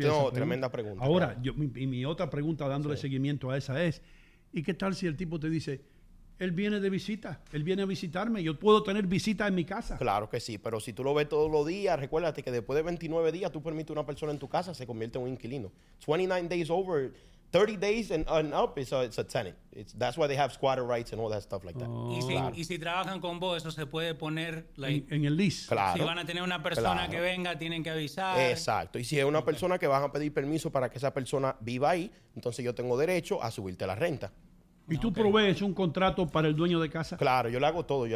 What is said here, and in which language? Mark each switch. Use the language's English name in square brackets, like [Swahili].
[Spanish] No, tremenda pregunta. Ahora, claro. mi otra pregunta dándole seguimiento a esa es, ¿y qué tal si el tipo te dice, él viene de visita, él viene a visitarme, yo puedo tener visita en mi casa? Claro que sí, pero si tú lo ves todos los días, recuérdate que después de 29 días tú permites a una persona en tu casa, se convierte en un inquilino. [English] 29 days over, 30 days and up, it's a tenant. That's why they have squatter rights and all that stuff like that. [Spanish] Y si, claro. y si trabajan con vos, eso se puede poner like, en el lease. Claro. Si van a tener una persona claro. que venga, tienen que avisar. Exacto. Y si es una okay. persona que van a pedir permiso para que esa persona viva ahí, entonces yo tengo derecho a subirte la renta. ¿Y tú okay. provees un contrato para el dueño de casa? Claro, yo le hago todo. Yo